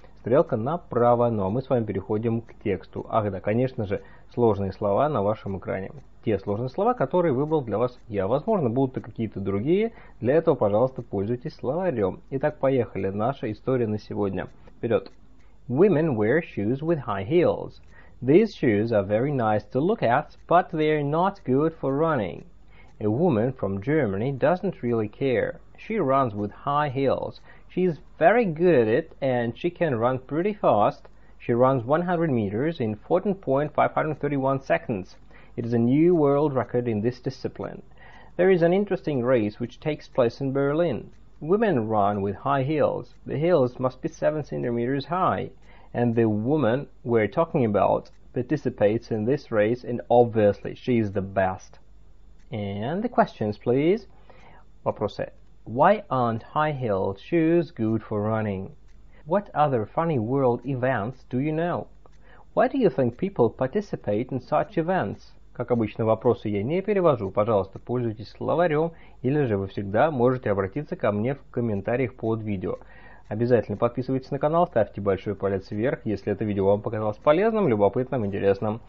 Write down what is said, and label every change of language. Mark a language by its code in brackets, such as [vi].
[ru] Стрелка направо. Ну а мы с вами переходим к тексту. Ах да, конечно же, сложные слова на вашем экране. Те сложные слова, которые выбрал для вас я. Возможно, будут и какие-то другие. Для этого, пожалуйста, пользуйтесь словарем. Итак, поехали. Наша история на сегодня. Вперед. [en] Women wear shoes with high heels. These shoes are very nice to look at, but they're not good for running. A woman from Germany doesn't really care. She runs with high heels. She's very good at it, and she can run pretty fast. She runs 100 meters in 14.531 seconds. It is a new world record in this discipline. There is an interesting race which takes place in Berlin. Women run with high heels. The heels must be 7 centimeters high. And the woman we're talking about participates in this race, and obviously she is the best. And the questions, please. [ru] Вопросы. [en] Why aren't high-heeled shoes good for running? What other funny world events do you know? Why do you think people participate in such events? [ru] Как обычно, вопросы я не перевожу. Пожалуйста, пользуйтесь словарем, или же вы всегда можете обратиться ко мне в комментариях под видео. Обязательно подписывайтесь на канал, ставьте большой палец вверх, если это видео вам показалось полезным, любопытным, интересным.